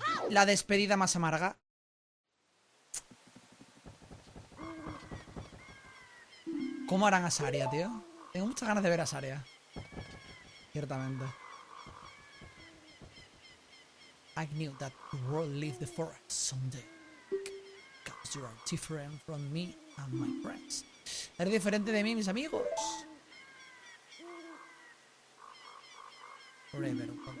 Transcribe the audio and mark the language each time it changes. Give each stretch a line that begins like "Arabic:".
Spanish: La despedida más amarga. ¿Cómo harán a Saria, tío? Tengo muchas ganas de ver a Saria. Ciertamente.
English: I knew that the world lived the forest someday. Because you are different from me and my friends.
Spanish: Eres diferente de mí, mis amigos.
English: Forever.